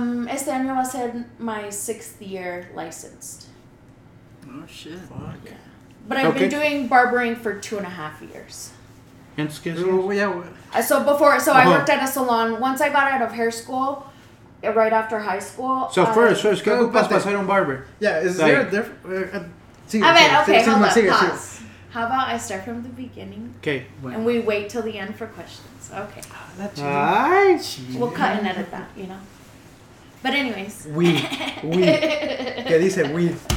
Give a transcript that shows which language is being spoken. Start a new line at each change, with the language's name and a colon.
Spanish: Este año va a ser
English: my 6th year licensed. Oh, shit. Fuck. Yeah. But I've been doing barbering for 2.5 years. Excuse me? So before, so uh-huh. I worked at a salon. Once I got out of hair school... Right after high school. So first,
Spanish: ¿qué ocupas para ser un barber?
English: Yeah, is like, there a difference? I mean, okay, hold on, pause. How about I start from the beginning? Okay. And we wait till the end for questions. Okay. That's true. We'll cut and edit that, you know. But anyways.
Spanish: We. ¿Qué dice we?